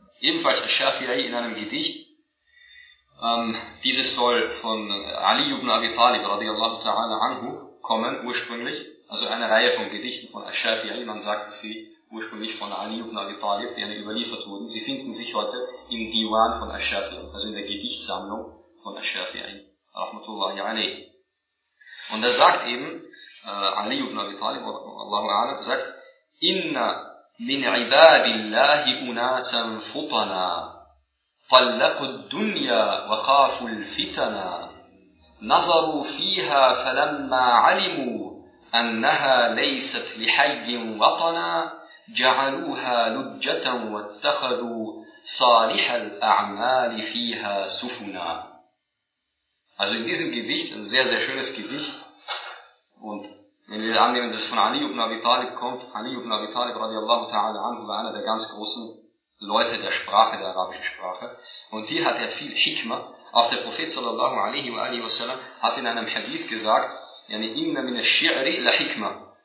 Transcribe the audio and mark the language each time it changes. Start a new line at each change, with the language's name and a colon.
German: ebenfalls Al-Shafi'i in einem Gedicht, dieses soll von Ali ibn Abi Talib radiallahu ta'ala anhu kommen ursprünglich, also eine Reihe von Gedichten von Al-Shafi'i, man sagte sie ursprünglich von Ali ibn Abi Talib, die überliefert wurden, sie finden sich heute im Diwan von Al-Shafi'i, also in der Gedichtsammlung von Al-Shafi'i, rahmatullahi alayhi. Und er sagt eben,
Arabic: Ali ibn Abi Talib, Allahu a'lam,
German: sagt,
Arabic: inna min ibadillahi unasan futana, طلقوا الدنيا وخافوا الفتنا نظروا فيها فلما علموا أنها ليست لحي وطنا جعلوها لجة واتخذوا صالح الأعمال فيها سفنا.
German: Also in diesem Gedicht, ein sehr, sehr schönes Gedicht, und wenn wir annehmen, dass es von Ali ibn Abi Talib kommt, Ali ibn Abi Talib radiallahu ta'ala anhu war einer der ganz großen Leute der Sprache, der arabischen Sprache. Und hier hat er viel Hikma. Auch der Prophet sallallahu alaihi wa alihi wa sallam hat in einem Hadith gesagt,
Arabic: yani inna min al-shi'ri la hikma.